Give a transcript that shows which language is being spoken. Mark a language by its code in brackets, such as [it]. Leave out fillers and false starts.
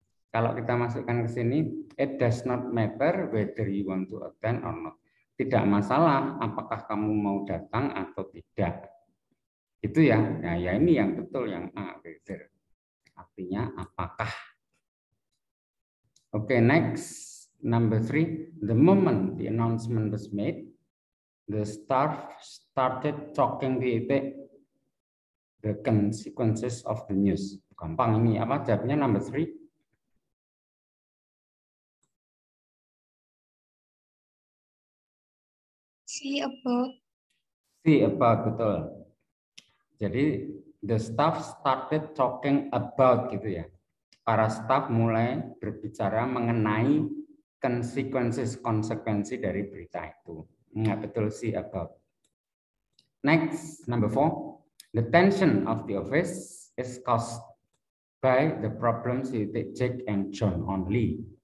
[id] Kalau kita masukkan ke sini, [en] it does not matter whether you want to attend or not. [id] Tidak masalah apakah kamu mau datang atau tidak. Itu ya, nah, ya ini yang betul, yang A, weather. Artinya apakah? [en] Oke, okay, next, number 3, the moment the announcement was made, the staff started talking the consequences of the news. [id] Gampang ini, apa jawabnya number 3? [en] See about. See about, [id] betul. Jadi, [en] the staff started talking about, [id] gitu ya. Para staf mulai berbicara mengenai konsekuensi dari berita itu. Enggak betul sih [en] about. Next, number 4. The tension of the office is caused by the problems with Jack and John only.